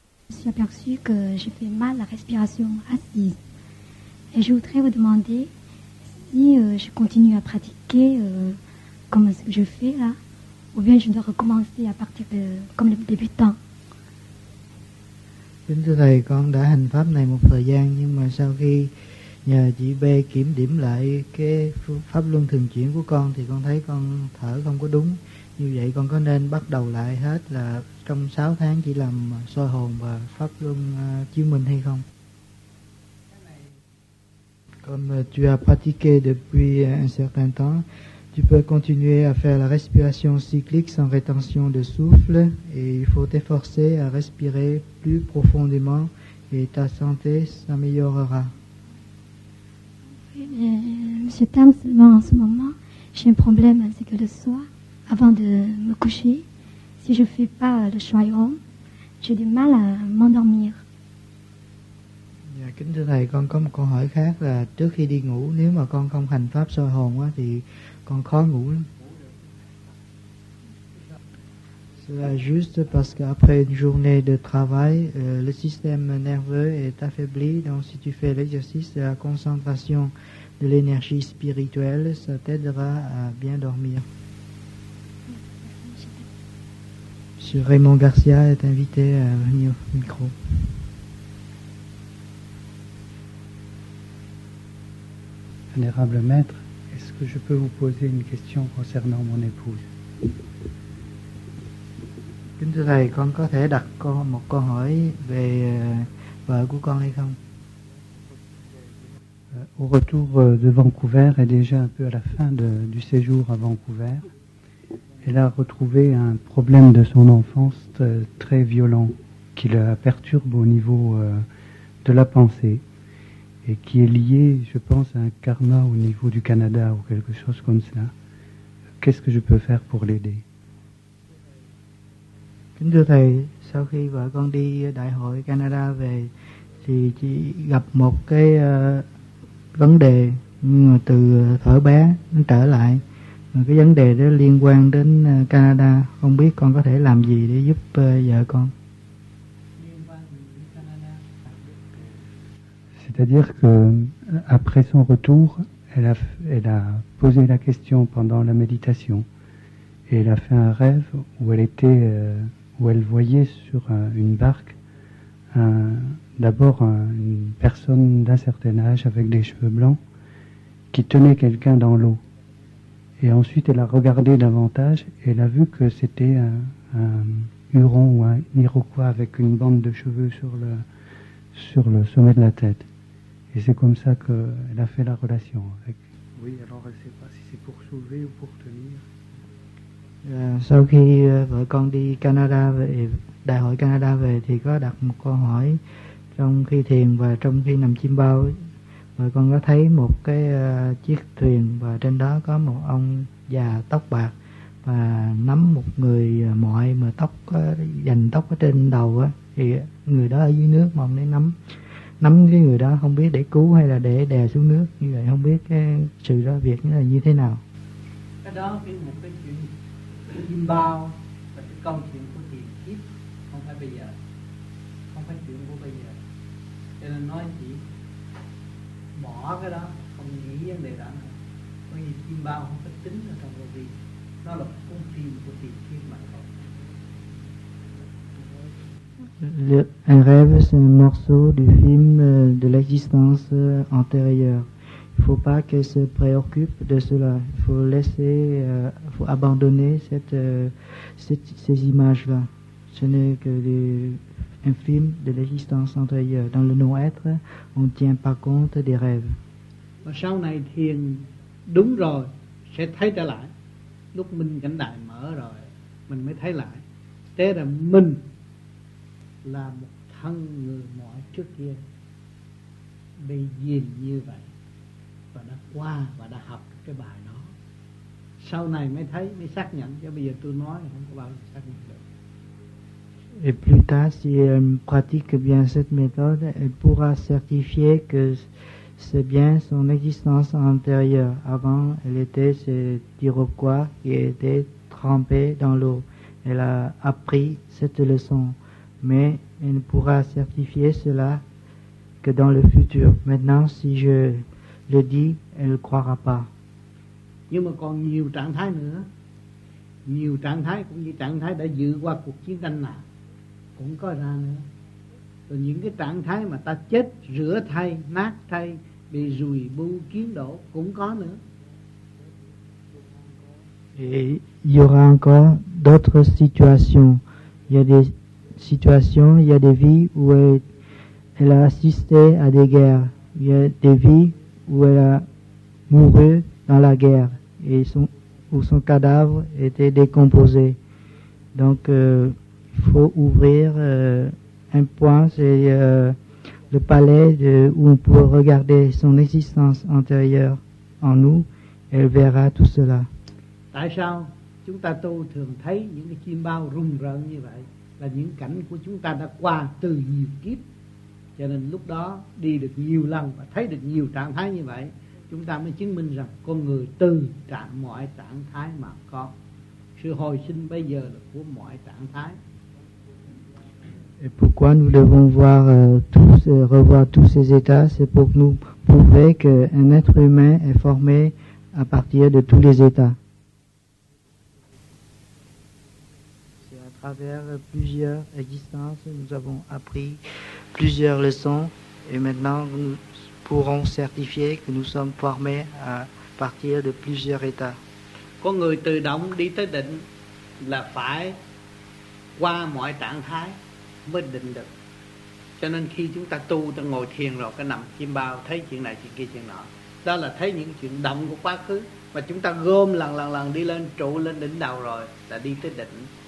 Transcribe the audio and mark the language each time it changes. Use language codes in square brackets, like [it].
[fr] suis aperçue que je fais mal la respiration assise. Et je voudrais vous demander si je continue à pratiquer comme ce que je fais là, ou bien je dois recommencer à partir de comme le débutant. [vi] Kính thưa thầy, con đã hành pháp này một thời gian, nhưng mà sau khi nhờ chị B kiểm điểm lại cái pháp luân thường chuyển của con thì con thấy con thở không có đúng. Như vậy con có nên bắt đầu lại hết là trong 6 tháng chỉ làm soi hồn và pháp luân chiếu minh hay không? [fr] Comme tu as pratiqué depuis un certain temps, tu peux continuer à faire la respiration cyclique sans rétention de souffle et il faut t'efforcer à respirer plus profondément et ta santé s'améliorera. Monsieur Tam, seulement en ce moment, j'ai un problème, c'est que le soir, avant de me coucher, si je ne fais pas le shwayom, j'ai du mal à m'endormir. [vi] Dạ, kính thưa thầy, con có một câu hỏi khác là trước khi đi ngủ, nếu mà con không hành pháp soi hồn quá thì con khó ngủ lắm. [fr] C'est juste parce qu'après une journée de travail, le système nerveux est affaibli. Donc, si tu fais l'exercice de la concentration de l'énergie spirituelle, ça t'aidera à bien dormir. Monsieur Raymond Garcia est invité à venir au micro. Vénérable maître, est-ce que je peux vous poser une question concernant mon épouse? [vi] Kính thưa thầy, con có thể đặt một câu hỏi về vợ của con hay không? [fr] Au retour de Vancouver, et déjà un peu à la fin du séjour à Vancouver, elle a retrouvé un problème de son enfance très violent qui la perturbe au niveau de la pensée et qui est lié, je pense, à un karma au niveau du Canada ou quelque chose comme ça. Qu'est-ce que je peux faire pour l'aider? [vi] Kính thưa thầy, sau khi vợ con đi đại hội Canada về thì chị gặp một cái vấn đề từ thở bé nó trở lại. Cái vấn đề đó liên quan đến Canada, không biết con có thể làm gì để giúp vợ con. [fr] C'est-à-dire que après son retour, elle a posé la question pendant la méditation et elle a fait un rêve où elle était où elle voyait sur une barque d'abord une personne d'un certain âge avec des cheveux blancs qui tenait quelqu'un dans l'eau. Et ensuite, elle a regardé davantage et elle a vu que c'était un huron ou un iroquois avec une bande de cheveux sur le sommet de la tête. Et c'est comme ça qu'elle a fait la relation avec. Oui, alors elle ne sait pas si c'est pour sauver ou pour tenir. [vi] Sau khi vợ con đi Canada về, đại hội Canada về thì có đặt một câu hỏi trong khi thiền và trong khi nằm chiêm bao. Vợ con có thấy một cái chiếc thuyền và trên đó có một ông già tóc bạc và nắm một người mọi mà tóc dành tóc ở trên đầu á, thì người đó ở dưới nước mà ông ấy nắm cái người đó không biết để cứu hay là để đè xuống nước, như vậy không biết cái sự đó việc là như thế nào. Cái đó cái một cái chuyện chim bao và cái câu chuyện của tiền kiếp, không phải bây giờ, không phải chuyện của bây giờ, cho nên nói chỉ bỏ cái đó, không nghĩ vấn đề đó nữa. Bởi vì chim bao không phải tính ở trong cuộc đời, nó là con tim của tiền kiếp mà thôi. [fr] Un rêve, c'est un morceau du film de l'existence antérieure. Il ne faut pas qu'elle se préoccupe de cela. Il faut laisser, faut abandonner ces images-là. Ce n'est que un film de l'existence antérieure. Dans le non-être, on ne tient pas compte des rêves. Mais [vi] sau này thiền đúng rồi, sẽ thấy trở lại. Lúc mình cảnh đại mở rồi, mình mới thấy lại. Thế là mình là một thân người mọi trước kia bị nhìn như vậy. Và đã qua và đã học cái bài đó. Sau này mới thấy, mới xác nhận. Chứ bây giờ tôi nói không có bao giờ xác nhận được. [fr] Et plus tard, si elle pratique bien cette méthode, elle pourra certifier que c'est bien son existence antérieure. Avant, elle était cet Iroquois qui était trempé dans l'eau. Elle a appris cette leçon. Mais elle pourra certifier cela que dans le futur. Maintenant, si je le dis, elle ne croira pas. [vi] Nhưng mà còn nhiều trạng thái nữa, nhiều trạng thái cũng như trạng thái đã dự qua cuộc chiến tranh nào cũng có ra nữa. Rồi những cái trạng thái mà ta chết rửa thay, nát thay, bị rùi bu kiến đổ cũng có nữa. [fr] Et il y aura encore d'autres situations. Il y a des situations, il y a des vies où elle a assisté à des guerres. Il y a des vies où elle a mouru dans la guerre et où son cadavre était décomposé. Donc, il faut ouvrir un point, c'est le palais où on peut regarder son existence antérieure en nous. Elle verra tout cela. [vi] Tại sao chúng ta tu thường thấy những cái chiêm bao rùng rợn như vậy? Là những cảnh của chúng ta đã qua từ nhiều kiếp. Cho nên lúc đó đi được nhiều lần và thấy được nhiều trạng thái như vậy, chúng ta mới chứng minh rằng con người từ trạng mọi trạng thái mà có. Sự hồi sinh bây giờ là của mọi trạng thái. [fr] Et pourquoi nous devons voir revoir tous ces états? C'est pour nous prouver qu'un être humain est formé à partir de tous les états. À travers plusieurs existences, nous avons appris plusieurs leçons et maintenant nous pourrons certifier que nous sommes formés à partir de plusieurs états. [vi] Con người tự động đi tới định là phải qua mọi trạng thái mới định được. Cho nên khi chúng ta tu, ta ngồi thiền rồi, cái nằm chiêm bao, thấy chuyện này, chuyện kia, chuyện nọ. Đó là thấy những chuyện động của quá khứ mà chúng ta gom lần đi lên trụ lên đỉnh đầu rồi là đi tới định.